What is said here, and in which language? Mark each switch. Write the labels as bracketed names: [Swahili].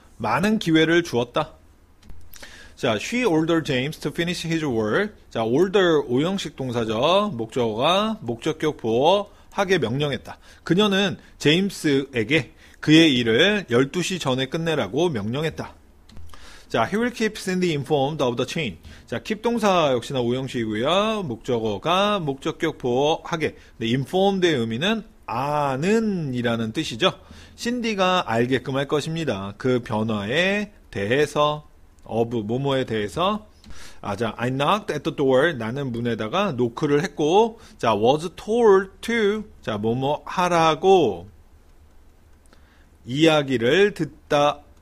[Korean] 많은 기회를 주었다. [English] 자, she ordered James to finish his work. [Korean] 자, order 오형식 동사죠. 목적어가 목적격 보호하게 명령했다. 그녀는 제임스에게 그의 일을 12시 전에 끝내라고 명령했다. [English] 자, he will keep Cindy informed of the change. [Korean] 자, keep 동사 역시나 오형식이고요. 목적어가 목적격 보호하게. 근데 informed의 의미는 아는이라는 뜻이죠. Cindy가 알게끔 할 것입니다. 그 변화에 대해서, of 뭐뭐에 대해서. 아, 자, [English] I knocked at the door. [Korean] 나는 문에다가 노크를 했고, 자, [English] was told to, [Korean] 자, 뭐뭐 하라고 이야기를 듣다.